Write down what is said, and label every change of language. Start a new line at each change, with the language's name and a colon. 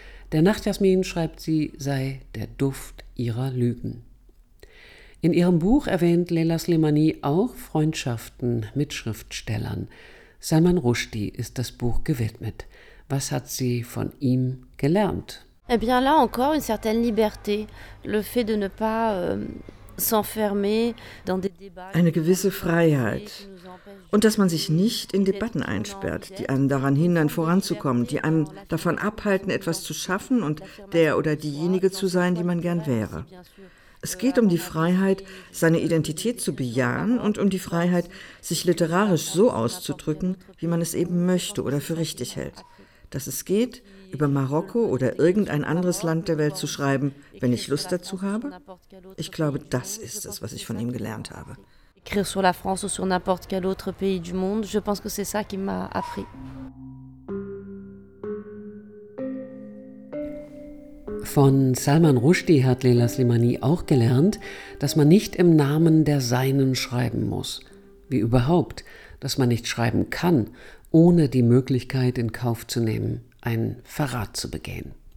German: Der Nachtjasmin, schreibt sie, sei der Duft ihrer Lügen. In ihrem Buch erwähnt Leyla Slimani auch Freundschaften mit Schriftstellern. Salman Rushdie ist das Buch gewidmet. Was hat sie von ihm gelernt?
French: Eh bien, là encore une certaine liberté, le fait de ne pas s'enfermer dans des débats.
German: Eine gewisse Freiheit und dass man sich nicht in Debatten einsperrt, die einen daran hindern, voranzukommen, die einen davon abhalten, etwas zu schaffen und der oder diejenige zu sein, die man gern wäre. Es geht um die Freiheit, seine Identität zu bejahen und um die Freiheit, sich literarisch so auszudrücken, wie man es eben möchte oder für richtig hält. Dass es geht, über Marokko oder irgendein anderes Land der Welt zu schreiben, wenn ich Lust dazu habe? Ich glaube, das ist es, was ich von ihm gelernt habe.
French: Écrire sur la France ou sur n'importe quel autre pays du monde, je pense que c'est ça qui m'a appris.
German: Von Salman Rushdie hat Leyla Slimani auch gelernt, dass man nicht im Namen der Seinen schreiben muss. Wie überhaupt, dass man nicht schreiben kann, ohne die Möglichkeit in Kauf zu nehmen, einen Verrat zu begehen.